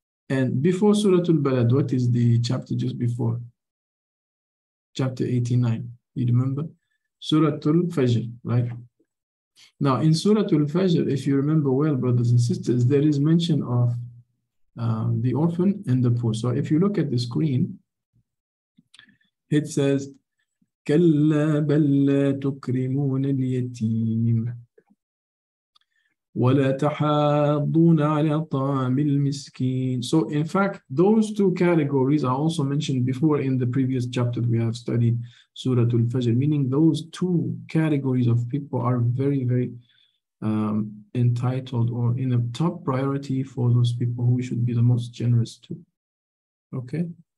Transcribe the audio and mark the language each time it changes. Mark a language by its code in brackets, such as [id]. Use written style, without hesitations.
[en] And before Surah Al-Balad, what is the chapter just before? Chapter 89, you remember? Surah Al-Fajr, right? Now in Surah Al-Fajr, if you remember well, brothers and sisters, there is mention of the orphan and the poor. So if you look at the screen, it says, [ar] كلا بل لا تكرمون اليتيم ولا تحاضون على طعام المسكين. [en] So in fact, those two categories are also mentioned before in the previous chapter we have studied, Surah Al-Fajr, meaning those two categories of people are very, very entitled or in a top priority for those people who should be the most generous to. Okay?